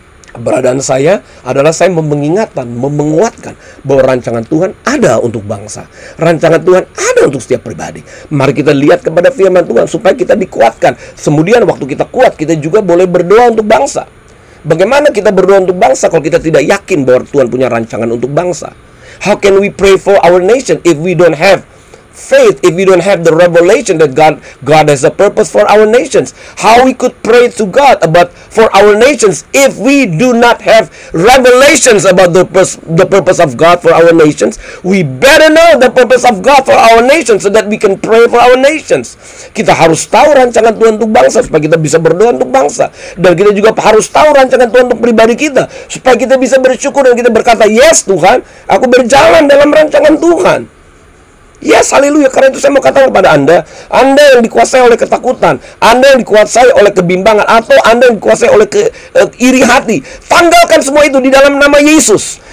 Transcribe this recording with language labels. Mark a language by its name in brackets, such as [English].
[Indonesian] Keberadaan saya adalah saya mengingatkan, menguatkan bahwa rancangan Tuhan ada untuk bangsa. Rancangan Tuhan ada untuk setiap pribadi. Mari kita lihat kepada firman Tuhan supaya kita dikuatkan. Kemudian waktu kita kuat, kita juga boleh berdoa untuk bangsa. Bagaimana kita berdoa untuk bangsa kalau kita tidak yakin bahwa Tuhan punya rancangan untuk bangsa? [English] How can we pray for our nation if we don't have faith, if we don't have the revelation that God has a purpose for our nations? How we could pray to God about for our nations if we do not have revelations about the purpose of God for our nations? We better know the purpose of God for our nations so that we can pray for our nations. [Indonesian] Kita harus tahu rancangan Tuhan untuk bangsa supaya kita bisa berdoa untuk bangsa. Dan kita juga harus tahu rancangan Tuhan untuk pribadi kita supaya kita bisa bersyukur dan kita berkata, yes Tuhan, aku berjalan dalam rancangan Tuhan. Yes, haleluya. Karena itu saya mau katakan kepada Anda, Anda yang dikuasai oleh ketakutan, Anda yang dikuasai oleh kebimbangan, atau Anda yang dikuasai oleh iri hati, tanggalkan semua itu di dalam nama Yesus.